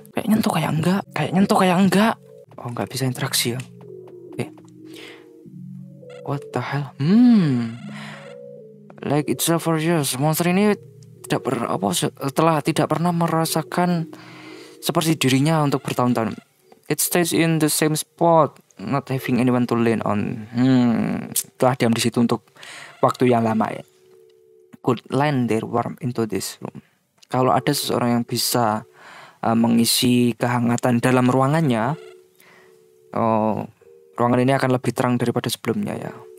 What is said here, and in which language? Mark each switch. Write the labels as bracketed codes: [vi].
[id] Kayak nyentuh kayak enggak. Oh, enggak bisa interaksi ya. Oke. [en] What the hell? Like it's a for you. [id] Monster ini telah tidak pernah merasakan seperti dirinya untuk bertahun-tahun. [en] It stays in the same spot, not having anyone to lean on. [id] Telah diam di situ untuk waktu yang lama ya. [en] Could lend their warmth into this room. [id] Kalau ada seseorang yang bisa mengisi kehangatan dalam ruangannya, ruangan ini akan lebih terang daripada sebelumnya ya.